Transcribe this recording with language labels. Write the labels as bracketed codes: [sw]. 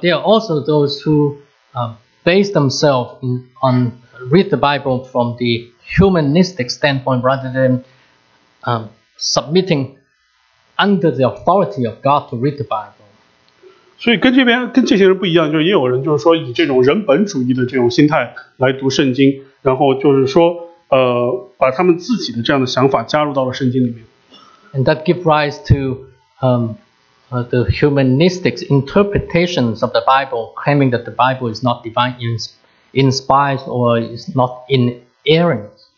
[en] there are also those who base themselves on read the Bible from the humanistic standpoint rather than submitting under the authority of God to read the Bible. [zh] 所以跟这边跟这些人不一样，就是也有人就是说以这种人本主义的这种心态来读圣经，然后就是说。把他们自己的这样的想法加入到了圣经里面。And [en] that gives rise to the humanistic interpretations of the Bible, claiming that the Bible is not divine inspired or is not inerrant.